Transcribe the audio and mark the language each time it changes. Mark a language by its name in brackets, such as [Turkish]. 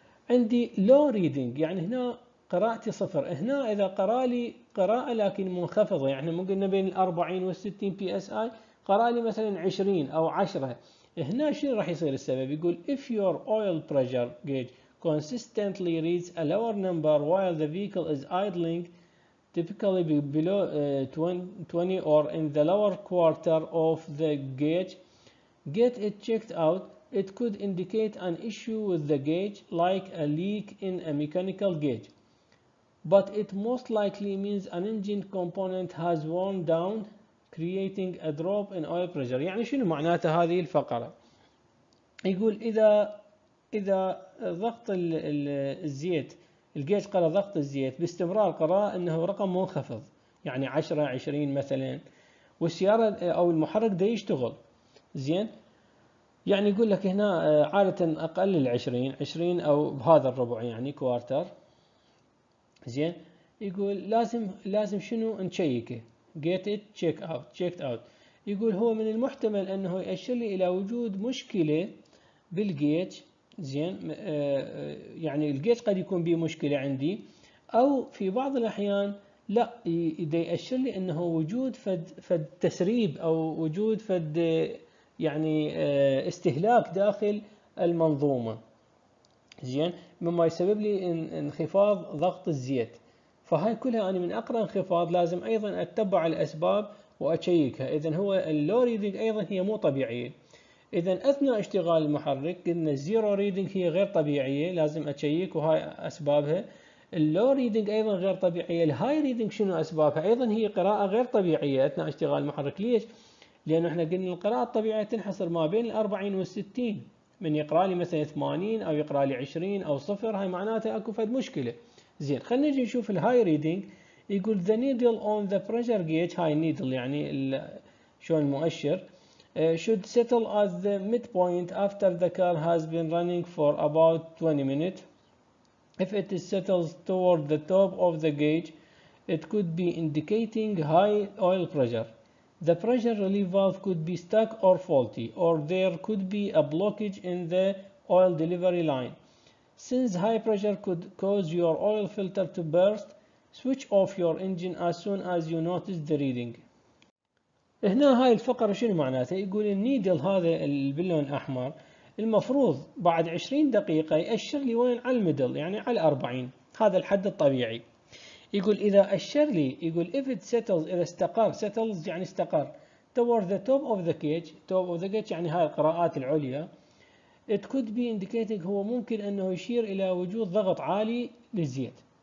[Arabic] عندي لو ريدنج يعني هنا قراءتي صفر، هنا اذا قرا لي قراءة لكن منخفضة، يعني ممكن بين ال 40 وال 60 بي اس اي، قرا لي مثلا 20 او 10، هنا شنو راح [English] يصير السبب؟ يقول if your oil pressure gauge consistently reads a lower number while the vehicle is idling typically below 20 or in the lower quarter of the gauge get it checked out. It could indicate an issue with the gauge like a leak in a mechanical gauge. But it most likely means an engine component has worn down creating a drop in oil pressure. [Arabic] يعني شنو معناته هذه الفقرة؟ يقول إذا ضغط الزيت الجيج قرا ضغط الزيت باستمرار قرا انه رقم منخفض، يعني 10 20 مثلا، والسيارة او المحرك ده يشتغل زين، يعني يقول لك هنا عادة اقل ال 20 20 او بهذا الربع يعني كوارتر زين. يقول لازم شنو نشيكه، [English] get it check out checked out. [Arabic] يقول هو من المحتمل انه يؤشر لي الى وجود مشكله بالجيج زين، يعني الجيج قد يكون به مشكله عندي، او في بعض الاحيان لا يؤشر لي انه وجود فد تسريب او وجود فد يعني استهلاك داخل المنظومه زين، مما يسبب لي انخفاض ضغط الزيت. فهاي كلها انا من اقرا انخفاض لازم ايضا اتبع الاسباب واشيكها. اذا هو اللو ريدنج ايضا هي مو طبيعيه. اذا اثناء اشتغال المحرك قلنا الزيرو ريدنج هي غير طبيعيه لازم اشيك، وهاي اسبابها. اللو ريدنج ايضا غير طبيعيه. الهاي ريدنج شنو اسبابها؟ ايضا هي قراءه غير طبيعيه اثناء اشتغال المحرك. ليش؟ لان احنا قلنا القراءه الطبيعيه تنحصر ما بين ال 40 وال 60، من يقرا لي مثلا 80 او يقرا لي 20 او 0، هاي معناته اكو فد مشكله زين. خلينا نجي نشوف الهاي ريدنج. يقول ذا نيدل اون ذا بريشر جيج، هاي النيدل يعني شلون المؤشر، [English] should settle at the midpoint after the car has been running for about 20 minutes. If it settles toward the top of the gauge, it could be indicating high oil pressure. The pressure relief valve could be stuck or faulty, or there could be a blockage in the oil delivery line. Since high pressure could cause your oil filter to burst, switch off your engine as soon as you notice the reading. [Arabic] هنا هاي الفقرة شنو معناته؟ يقول النيدل هذا باللون الأحمر المفروض بعد 20 دقيقة يأشر لي وين؟ على الميدل، يعني على 40، هذا الحد الطبيعي. يقول إذا أشر لي، يقول if it settles، إذا استقر، settles يعني استقر، [English] toward the top of the cage، [Arabic] top of the cage يعني هاي القراءات العليا، [English] it could be indicating، [Arabic] هو ممكن أنه يشير إلى وجود ضغط عالي للزيت.